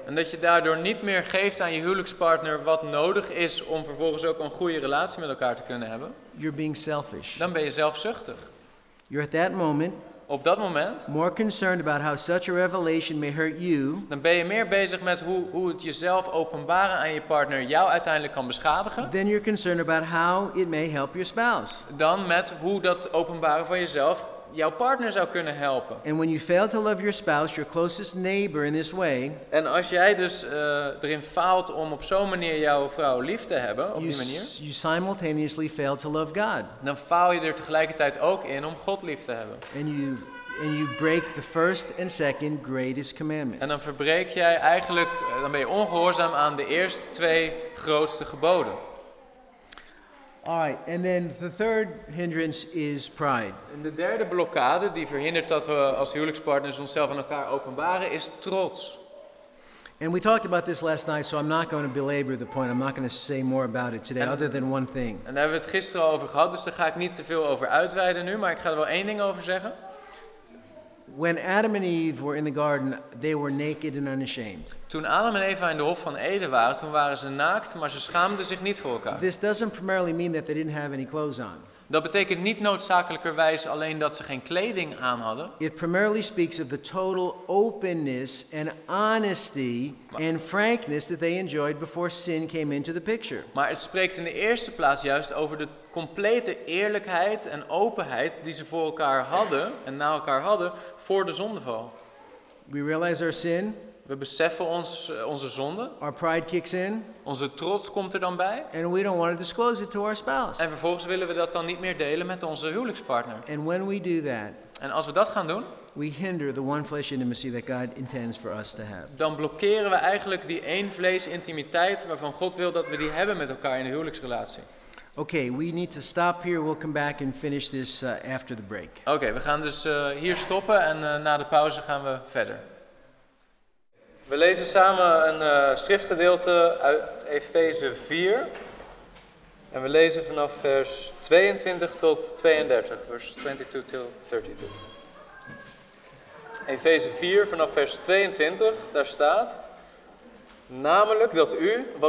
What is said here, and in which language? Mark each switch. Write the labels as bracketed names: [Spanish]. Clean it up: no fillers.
[Dutch] En dat je daardoor niet meer geeft aan je huwelijkspartner wat nodig is om vervolgens ook een goede relatie met elkaar te kunnen hebben. [English] You're being selfish. [Dutch] Dan ben je zelfzuchtig. [English] You're at that moment. [Dutch] Op dat moment. [English] More concerned about how such a revelation may hurt you. [Dutch] Dan ben je meer bezig met hoe het jezelf openbaren aan je partner jou uiteindelijk kan beschadigen. [English] Then you're concerned about how it may help your spouse. [Dutch] Dan met hoe dat openbaren van jezelf jouw partner zou kunnen helpen. [English] And when you fail to love your spouse, your closest neighbor in this way. [Dutch] En als jij dus erin faalt om op zo'n manier jouw vrouw lief te hebben, op die manier. [English] You simultaneously fail to love God. [Dutch] Dan faal je er tegelijkertijd ook in om God lief te hebben. [English] And you break the first and second greatest commandments. [Dutch] En dan verbreek jij eigenlijk, dan ben je ongehoorzaam aan de eerste twee grootste geboden. [English] All right, and then the third hindrance is pride. [Dutch] En de derde blokkade die verhindert dat we als huwelijkspartners onszelf aan elkaar openbaren is trots. [English] And we talked about this last night, so I'm not going to belabor the point. I'm not going to say more about it today, other than one thing. [Dutch] En daar hebben we het gisteren over gehad, dus daar ga ik niet te veel over uitweiden nu, maar ik ga er wel één ding over zeggen. [English] When Adam and Eve were in the garden, they were naked and unashamed. [Dutch] Toen Adam en Eva in de hof van Eden waren, toen waren ze naakt, maar ze schaamden zich niet voor elkaar. [English] This doesn't primarily mean that they didn't have any clothes on. [Dutch] Dat betekent niet noodzakelijkerwijs alleen dat ze geen kleding aan hadden. [English] It primarily speaks of the total openness and honesty and frankness that they enjoyed before sin came into the picture. [Dutch] Maar het spreekt in de eerste plaats juist over de complete eerlijkheid en openheid die ze voor elkaar hadden en na elkaar hadden voor de zondeval. [English] We realize our sin. [Dutch] We beseffen onze zonde. [English] Our pride kicks in. [Dutch] Onze trots komt er dan bij. [English] And we don't want to disclose it to our spouse. [Dutch] En vervolgens willen we dat dan niet meer delen met onze huwelijkspartner. [English] And when we do that, [Dutch] en als we dat gaan doen, [English] we hinder the one flesh intimacy that God intends for us to have. [Dutch] Dan blokkeren we eigenlijk die één vlees intimiteit waarvan God wil dat we die hebben met elkaar in de huwelijksrelatie. [English] Okay, we need to stop here. We'll come back and finish this after the break. [Dutch] Okay, we gaan dus hier stoppen en na de pauze gaan we verder. We lezen samen een schriftgedeelte uit Efeze 4. En we lezen vanaf vers 22 tot 32. Vers 22 till 32. Efeze 4, vanaf vers 22, daar staat: namelijk dat u, wat